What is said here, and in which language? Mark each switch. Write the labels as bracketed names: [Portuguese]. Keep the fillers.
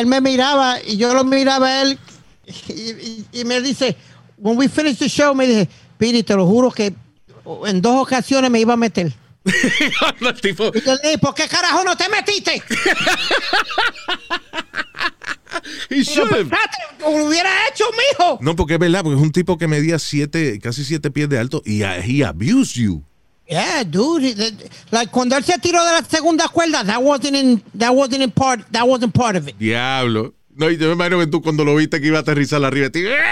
[Spanish] Y él me miraba y yo lo miraba a él y, y, y me dice, [English] when we finish the show, [Spanish] me dice, Piri, te lo juro que en dos ocasiones me iba a meter no, el tipo. Yo dije, ¿Por qué carajo no te metiste? Pero, pues, padre, lo hubiera hecho mijo? No, porque es verdad, porque es un tipo que medía siete, casi siete pies de alto y abusó. [English] he abused you. Yeah, dude. Like [Spanish] cuando él se tiró de la segunda cuerda, [English] that wasn't in, that wasn't in part, that wasn't part of it. [Spanish] Diablo. No, y yo me imagino que tú cuando lo viste que iba a aterrizar arriba, tío.